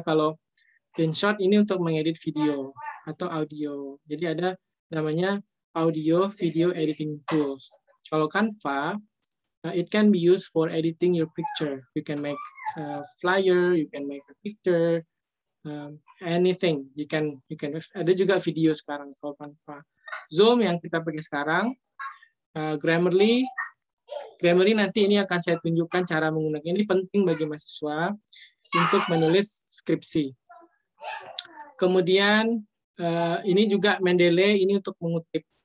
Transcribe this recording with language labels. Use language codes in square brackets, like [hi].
[id] Kalau InShot ini untuk mengedit video atau audio. Jadi ada namanya audio video editing tools. [en] Kalau Canva, it can be used for editing your picture. You can make a flyer, you can make a picture, anything. You can [id] ada juga video sekarang kalau Canva. Zoom yang kita pakai sekarang, Grammarly nanti ini akan saya tunjukkan cara menggunakan. Ini penting bagi mahasiswa untuk menulis skripsi. Kemudian ini juga Mendeley, ini untuk mengutip.